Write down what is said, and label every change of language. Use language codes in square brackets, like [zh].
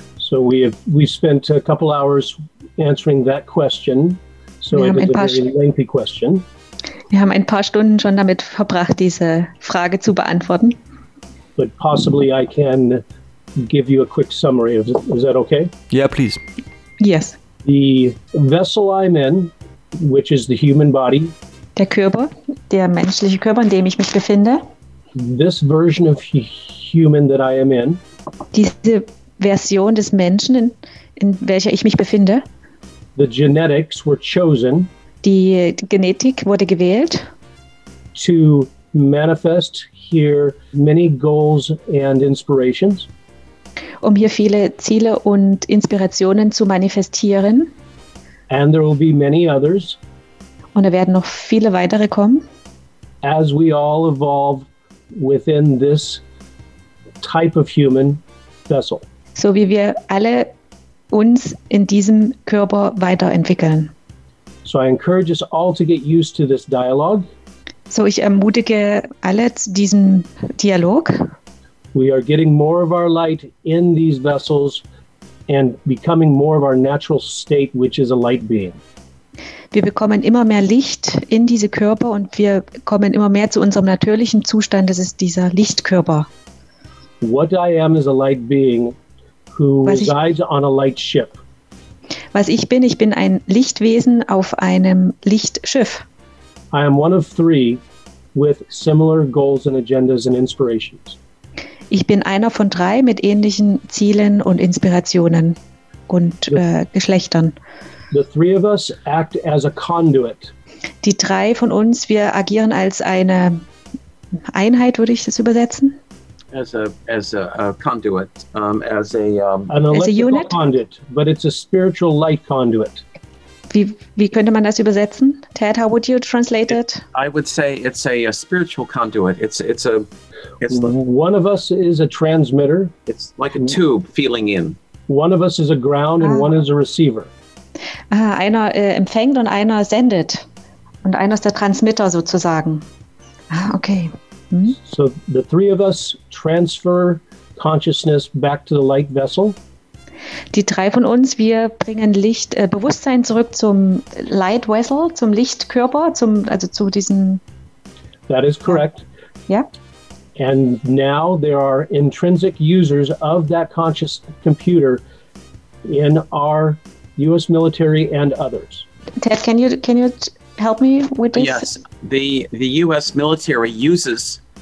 [en] So we've spent a couple hours answering that question. So [de] wir [en] it is a very lengthy question. [de] Wir haben ein paar Stunden schon damit verbracht, diese Frage zu beantworten. [en] But possibly I can give you a quick summary. Is that okay? Yeah, please. Yes. The vessel I'm in, which is the human body. [de] Der Körper, der menschliche Körper, in dem ich mich befinde. [en] This version of human that I am in. [de] Diese Version des Menschen, in welcher ich mich befinde. [en] The genetics were chosen. [de] Die Genetik wurde gewählt. [en] To manifest here many goals and inspirations. [de] Um hier viele Ziele und Inspirationen zu manifestieren. [en] And there will be many others. [de] Und da werden noch viele weitere kommen. [en] As we all evolve within this type of human vessel. [de] So wie wir alle uns in diesem Körper weiterentwickeln. [en] So I encourage us all to get used to this dialogue. [de] So ich ermutige alle zu diesem Dialog. [en] We are getting more of our light in these vessels and becoming more of our natural state, which is a light being. [de] Wir bekommen immer mehr Licht in diese Körper und wir kommen immer mehr zu unserem natürlichen Zustand, das ist dieser Lichtkörper. [en] What I am is a light being who resides on a light ship. [de] Was ich bin ein Lichtwesen auf einem Lichtschiff. [en] I am one of 3 with similar goals and agendas and inspirations. [de] Ich bin einer von 3 mit ähnlichen Zielen und Inspirationen und Geschlechtern. [en] The 3 of us act as a conduit. [de] Die 3 von uns, wir agieren als eine Einheit, würde ich das übersetzen? [en] As a conduit, as a an electrical unit? Conduit, but it's a spiritual light conduit. [de] Wie könnte man das übersetzen? [en] Ted, how would you translate it? I would say it's a spiritual conduit. One of us is a transmitter. It's like a tube feeling in. One of us is a ground and one is a receiver. [de] Einer empfängt und einer sendet. Und einer ist der Transmitter sozusagen. Okay. [en] So the 3 of us transfer consciousness back to the light vessel. [de] Die 3 von uns, wir bringen Licht, Bewusstsein zurück zum Light Vessel, zum Lichtkörper, zu diesem. [en] That is correct. [de] Ja. [en] And now there are intrinsic users of that conscious computer in our U.S. military and others. Ted, can you help me with this? Yes, the U.S. military uses.